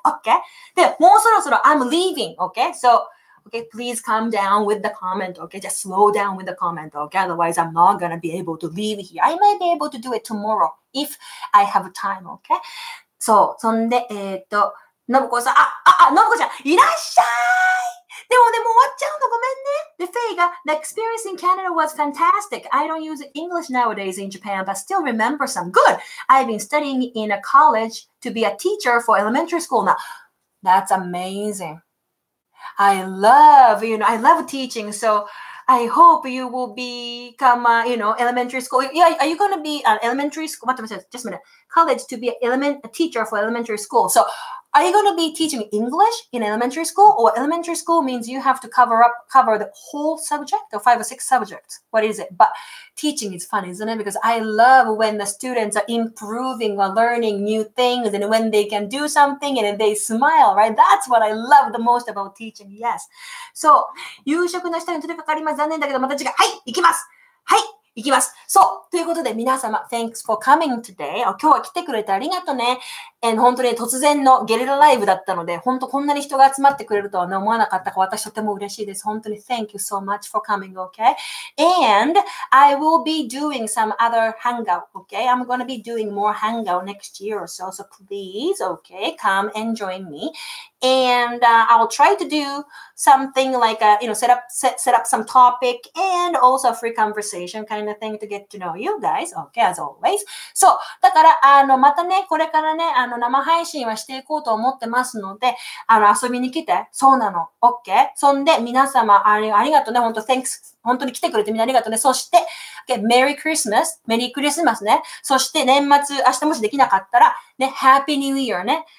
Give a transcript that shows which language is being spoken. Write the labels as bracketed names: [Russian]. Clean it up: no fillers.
[English] OK [Japanese] で、もうそろそろ [English] I'm leaving。OK so OK please calm down with the comment。 OK just slow down with the comment。 OK otherwise I'm not gonna be able to leave here。 I may be able to do it tomorrow if I have time。 [Japanese] OK そう、そんで、のぶこさん、のぶこちゃんいらっしゃい。でもね、もう終わっちゃうの、ごめんね。で、フェイが、 [English] The experience in Canada was fantastic. I don't use English nowadays in Japan, but still remember some. Good! I've been studying in a college to be a teacher for elementary school now. That's amazing. I love teaching, so I hope you will become, elementary school. Yeah, are you going to be an elementary school? Just a minute. College to be a teacher for elementary school. So, are you going to be teaching English in elementary school? Or elementary school means you have to cover the whole subject or five or six subjects. What is it? But teaching is fun, isn't it? Because I love when the students are improving or learning new things and when they can do something and they smile, right? That's what I love the most about teaching. Yes. [Japanese] So, 夕食の下に取り掛かります。残念だけどまた次回。はい、行きます。はい。いきます。そう。ということで、皆様、 [English] thanks for coming today. [Japanese] 今日は来てくれてありがとうね。本当に突然のゲリラライブだったので、本当こんなに人が集まってくれるとは思わなかったか、私とても嬉しいです。本当に [English] thank you so much for coming, okay? And I will be doing some other hangout, okay? I'm gonna be doing more hangout next year or so, so please, okay, come and join me. And I'll try to do something like, set up some topic and also a free conversation kind of thing to get to know you guys, okay, as always. [Japanese] So, だから、またね、これからね、生配信はしていこうと思ってますので、遊びに来て。そうなの。OK? そんで、皆様、ありがとうね。本当、thanks。本当に来てくれてみんなありがとうね。そして、 [English] okay, Merry Christmas。 [Japanese] メリークリスマスね。そして、年末、明日もしできなかったら、ね、 [English] Happy New Year [Japanese] ね。